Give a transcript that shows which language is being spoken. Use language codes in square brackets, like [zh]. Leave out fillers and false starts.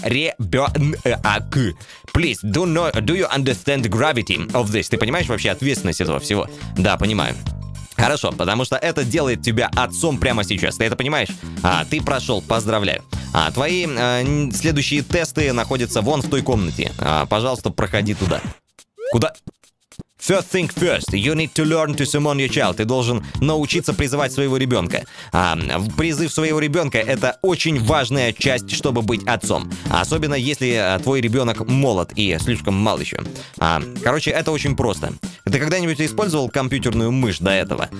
[ru] Ребенок. [en] Please, do you understand gravity of this? [ru] Ты понимаешь вообще ответственность этого всего? Да, понимаю. Хорошо, потому что это делает тебя отцом прямо сейчас. Ты это понимаешь? А, ты прошел, поздравляю. А, твои следующие тесты находятся вон в той комнате. А, пожалуйста, проходи туда. Куда? [en] First thing first, you need to learn to summon your child. [ru] Ты должен научиться призывать своего ребенка. А, призыв своего ребенка – это очень важная часть, чтобы быть отцом. Особенно, если твой ребенок молод и слишком мал еще. А, короче, это очень просто. Ты когда-нибудь использовал компьютерную мышь до этого?